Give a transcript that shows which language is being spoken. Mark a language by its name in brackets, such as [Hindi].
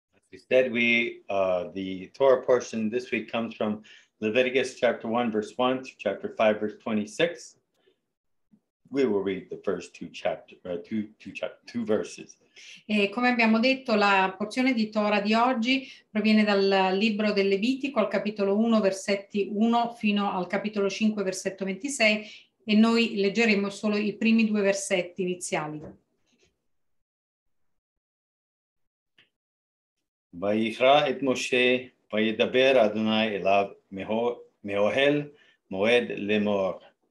[English] Instead, the Torah portion this week comes from Leviticus chapter 1, verse 1 through chapter 5, verse 26. We will read the first two verses. [Italian] E come abbiamo detto, la porzione di Torah di oggi proviene dal libro del Levitico, al capitolo 1, versetti 1 fino al capitolo 5, versetto 26, e noi leggeremo solo i primi due versetti iniziali. [Hebrew] ויקרא את משה וידבר אדוני אליו מאוהל מועד לאמור.